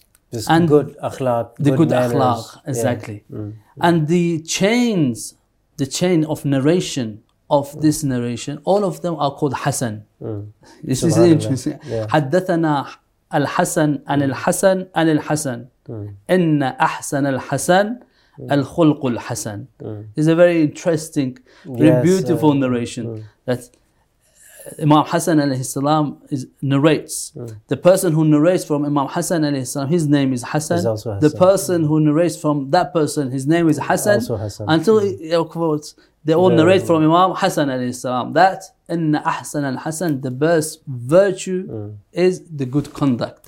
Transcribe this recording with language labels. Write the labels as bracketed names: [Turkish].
[English] The good akhlaq, exactly. And the chain of narration of this narration, all of them are called Hassan. This is interesting. Yeah. [Arabic] حدثنا الحسن عن الحسن عن الحسن إن أحسن الحسن الخلق الحسن. [English] It's a very interesting, very beautiful narration that Imam Hassan alayhi salam narrates. The person who narrates from Imam Hassan alayhi salam, his name is Hassan. The person who narrates from that person, his name is Hassan. Until he quotes, they all narrate from Imam Hassan alayhi salam that [Arabic] Inna Ahsan al Hassan, [English] the best virtue is the good conduct.